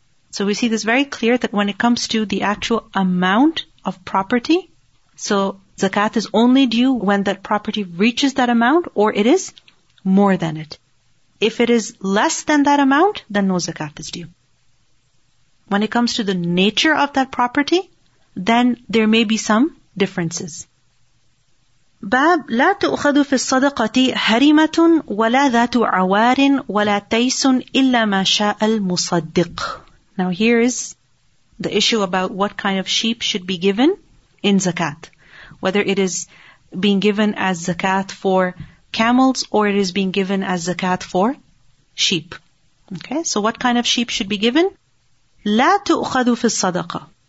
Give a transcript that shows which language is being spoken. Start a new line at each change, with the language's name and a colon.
English: So we see this very clear that when it comes to the actual amount of property, so zakat is only due when that property reaches that amount or it is more than it. If it is less than that amount, then no zakat is due. When it comes to the nature of that property, then there may be some differences.
Arabic: باب لا تؤخذ في الصدقة هرمة ولا ذات عوار ولا تيس إلا ما شاء المصدق.
English: Now here is the issue about what kind of sheep should be given in zakat. Whether it is being given as zakat for camels or it is being given as zakat for sheep. Okay, so what kind of sheep should be given?
Arabic: لا تؤخذ في الصدقة.